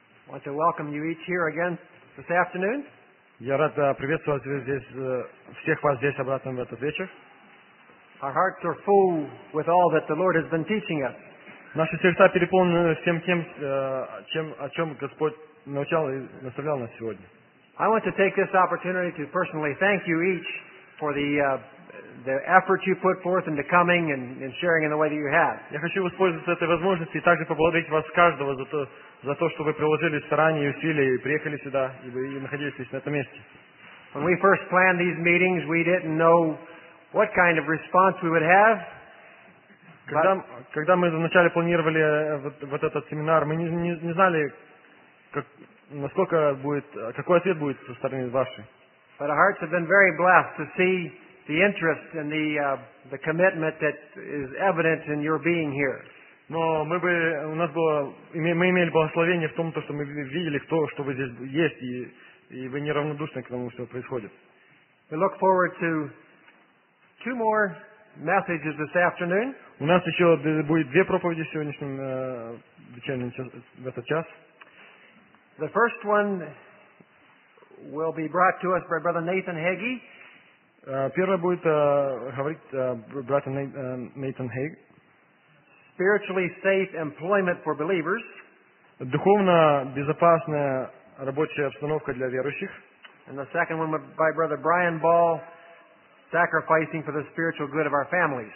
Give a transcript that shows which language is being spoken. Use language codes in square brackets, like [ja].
[en] want to welcome you each here again this afternoon. [ru] Я рад приветствовать вас здесь, всех вас здесь обратно в этот вечер. [en] Our hearts are full with all that the Lord has been teaching us. [ru] Наши сердца переполнены всем тем, чем, о чем Господь научал и наставлял нас сегодня. [en] I want to take this opportunity to personally thank you each for the effort you put forth into coming and sharing in the way that you have. [ru] Я хочу воспользоваться этой возможностью и также поблагодарить вас каждого за то, что вы приложили старания и усилия и приехали сюда и находились здесь на этом месте. [en] When we first planned these meetings, we didn't know what kind of response we would have. [ru] Когда мы вначале планировали вот этот семинар, мы не знали, какой ответ будет со стороны вашей. [en] But our hearts have been very blessed to see the interest and the commitment that is evident in your being here. [ru] Но мы имели благословение в том, что мы видели, кто, что вы здесь есть, и вы неравнодушны к тому, что происходит. [en] We look forward to two more messages this afternoon. [ru] У нас еще будет две проповеди сегодняшнем вечернем в этот час. [en] The first one will be brought to us by Brother Nathan Hagee. [ru] Первое будет говорить брат Нейтан Хейг. [en] Spiritually safe employment for believers. [ru] Духовно безопасная рабочая обстановка для верующих. [en] And the second one by Brother Brian Ball, sacrificing for the spiritual good of our families.